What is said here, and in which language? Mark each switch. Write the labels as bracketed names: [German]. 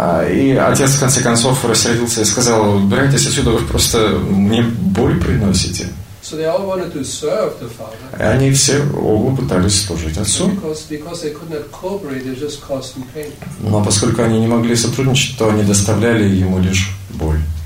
[Russian] И отец в конце концов рассердился и сказал: убирайтесь отсюда, вы просто мне боль приносите. [English] So they all wanted to serve the father. [Russian] И они все оба пытались служить отцу. [English] Because they could not cooperate, they just caused him pain. [Russian] Но поскольку они не могли сотрудничать, то они доставляли ему лишь боль.